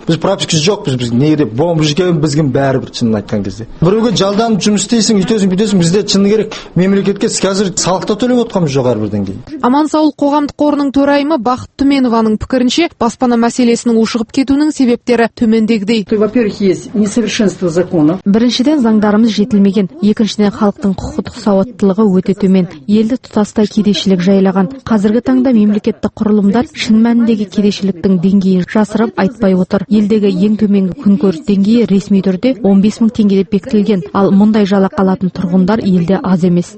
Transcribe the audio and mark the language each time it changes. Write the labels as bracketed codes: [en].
[kk] Біз пропискасы жоқ, біз неге бомба жүрген, бізге бәрібір шынын айтқан кезде. Біреуге жалдан жұмыс істейсің, үйтесің, бүйтесің, бізде шыны керек мемлекетке қазір салықта төлеп отырмыз. Аман саул қоғамдық қорының төрайымы Бақыт Түменованың пікірінше, баспана мәселесінің ушығып кетуінің себептері төмендегідей. [ru] Во-первых, есть несовершенство закона. [kk] Біріншіден заңдарымыз жетілмеген, екіншіден халықтың құқықтық сауаттылығы өте төмен. Елді тұтастай кедейшілік жайлаған. Қазіргі таңда мемлекеттік құрылымдар шын мәніндегі кедейшіліктің деңгейін жасырып айтпай отыр. Елдегі ең төменгі күнкөріс деңгейі ресми түрде 15,000 теңгеге бекітілген, ал мұндай жалақы алатын тұрғындар елде аз емес.